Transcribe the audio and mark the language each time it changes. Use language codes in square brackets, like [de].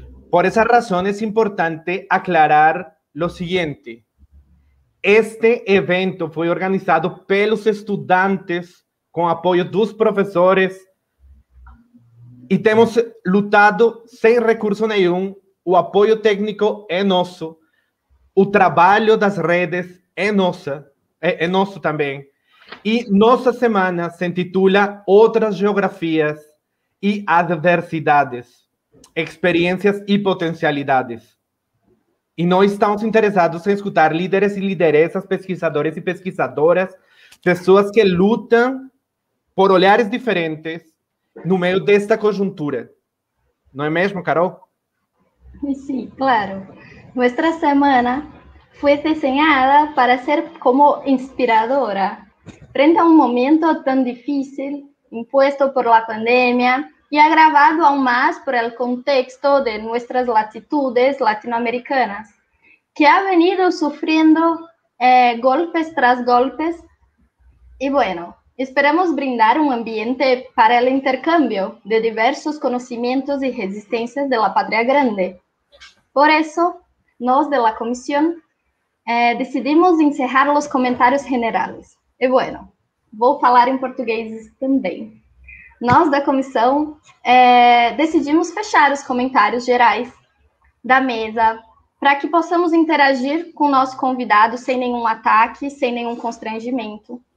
[es] Por esa razón es importante aclarar lo siguiente. Este evento fue organizado [pt] pelos [es] estudiantes con apoyo de los profesores y hemos luchado sin recurso ninguno, o apoyo técnico en oso. [pt] O trabalho das redes é nossa, é nosso também. E nossa semana se intitula Outras Geografias e Adversidades, Experiências e Potencialidades. E nós estamos interessados em escutar líderes e lideresas, pesquisadores e pesquisadoras, pessoas que lutam por olhares diferentes no meio desta conjuntura. Não é mesmo, Carol? Sim, claro. [es] Nuestra semana fue diseñada para ser como inspiradora frente a un momento tan difícil impuesto por la pandemia y agravado aún más por el contexto de nuestras latitudes latinoamericanas, que ha venido sufriendo golpes tras golpes. Y bueno, esperamos brindar un ambiente para el intercambio de diversos conocimientos y resistencias de la patria grande. [pt] Por eso, nós da comissão decidimos encerrar os comentários generais. E, bueno, vou falar em português também. nós da comissão decidimos fechar os comentários gerais da mesa para que possamos interagir com o nosso convidado sem nenhum ataque, sem nenhum constrangimento.